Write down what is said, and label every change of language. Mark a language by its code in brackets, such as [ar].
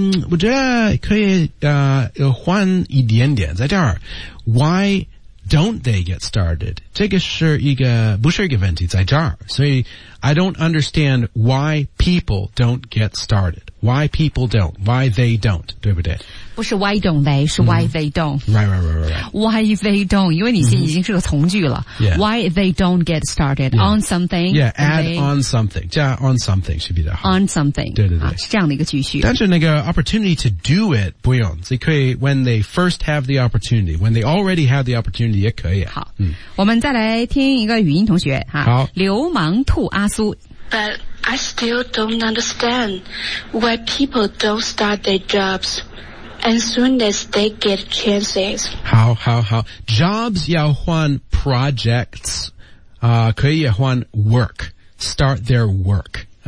[zh] 我觉得可以换一点点在这儿。 [en] Why don't they get started? [zh] 这个是一个不是一个问题在这儿。 [en] 所以 I don't understand why people don't get started. Why people don't? Why they don't? 对不对？不是 why don't they, 是 why they don't. Right. Why they don't? [zh] 因为你现在已经是个从句了。 [en] Yeah. Why they don't get started on something? Yeah, add on something. 加 on something [zh] 是比较好。 [en] On something. [zh] 对对对。是这样的一个句序。但是那个 opportunity to do it 不用。所以可以 [en] when they first have the opportunity, when they already have the opportunity [zh] 也可以。好。嗯。我们再来听一个语音同学。好。流氓兔阿苏。 [en] But I still don't understand why people don't start their jobs as soon as they get chances. [zh] 好好好 Jobs 要换 projects, 可以也换 work, [en] start their work.